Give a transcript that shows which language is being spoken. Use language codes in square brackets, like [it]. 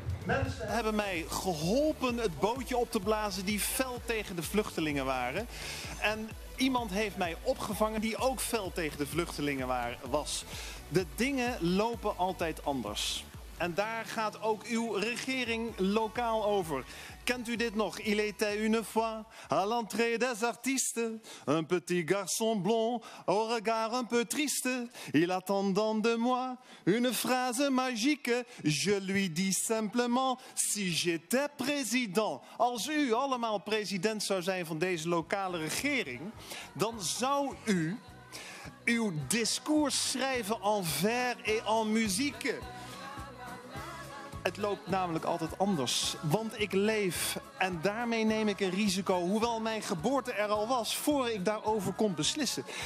[nl] Mensen hebben mij geholpen het bootje op te blazen die fel tegen de vluchtelingen waren. En iemand heeft mij opgevangen die ook fel tegen de vluchtelingen was. De dingen lopen altijd anders. En daar gaat ook uw regering lokaal over. Kent u dit nog? [fr] Il était une fois à l'entrée des artistes. Un petit garçon blond au regard un peu triste. Il attendant de moi une phrase magique. Je lui dis simplement si j'étais président. [nl] Als u allemaal president zou zijn van deze lokale regering, dan zou u uw discours schrijven en [fr] vers et en musique. [nl] Het loopt namelijk altijd anders, want ik leef en daarmee neem ik een risico, hoewel mijn geboorte er al was, voor ik daarover kon beslissen.